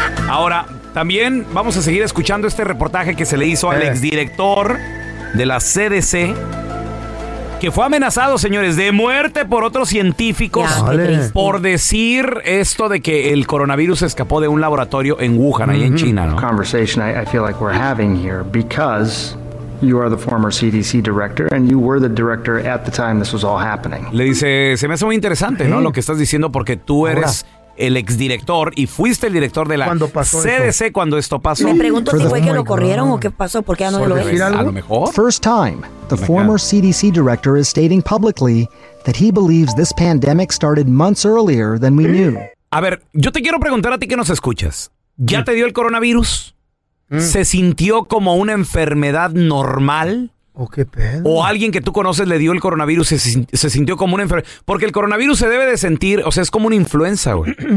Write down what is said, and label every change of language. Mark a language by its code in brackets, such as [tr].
[es] Ahora, también vamos a seguir escuchando este reportaje que se le hizo al exdirector de la CDC, que fue amenazado, señores, de muerte por otros científicos por decir esto de que el coronavirus escapó de un laboratorio en Wuhan, ahí en China, ¿no? [en] Conversation I feel like we're having here because you are the former CDC director and you were the director at the time this was all happening. [es] Le dice, se me hace muy interesante, ¿no? Lo que estás diciendo porque tú eres... Ahora. El exdirector, y fuiste el director de la CDC cuando esto pasó. Me pregunto si fue que lo corrieron o qué pasó, porque ya no lo ves. A lo mejor. [en] First time, the former CDC director is stating publicly that he believes this pandemic started months earlier than we knew. [es] A ver, yo te quiero preguntar a ti que nos escuchas. ¿Ya te dio el coronavirus? ¿Se sintió como una enfermedad normal? ¿O qué pedo? ¿O alguien que tú conoces le dio el coronavirus y se sintió como una enfermedad? Porque el coronavirus se debe de sentir, o sea, es como una influenza, güey.